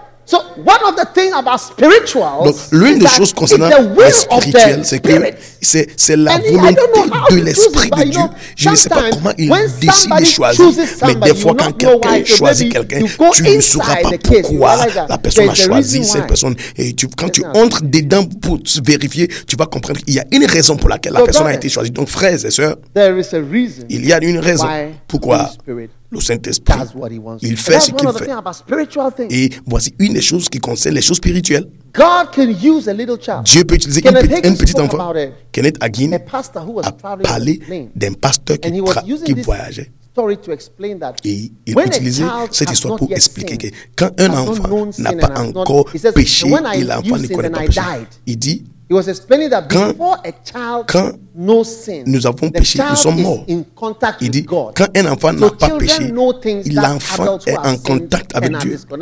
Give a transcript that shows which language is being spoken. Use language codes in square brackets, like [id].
[en] So one of the things about spirituals. [fr] Donc l'une des choses concernant spirituel, c'est que c'est la volonté de l'esprit de Dieu. Je ne sais pas comment il décide de choisir, mais des fois quand quelqu'un choisit quelqu'un, tu ne sauras pas pourquoi la personne a choisi cette personne. Et quand tu entres dedans pour vérifier, tu vas comprendre qu'il y a une raison pour laquelle la personne a été choisie. Donc frères et sœurs, il y a une raison pourquoi. Le Saint-Esprit, il fait ce qu'il fait. Et voici une des choses qui concerne les choses spirituelles. [en] God can use a little child. [fr] Dieu peut utiliser un petit enfant. Kenneth Hagin a parlé d'un pasteur qui voyageait. Et il utilisait cette histoire pour expliquer que quand un enfant n'a pas encore péché et l'enfant ne connaît pas péché, il dit, [en] he was explaining that [fr] quand, [en] before a child knows sin, [fr] nous avons péché, nous sommes morts. Il dit, quand un enfant n'a pas péché, l'enfant est en contact avec Dieu.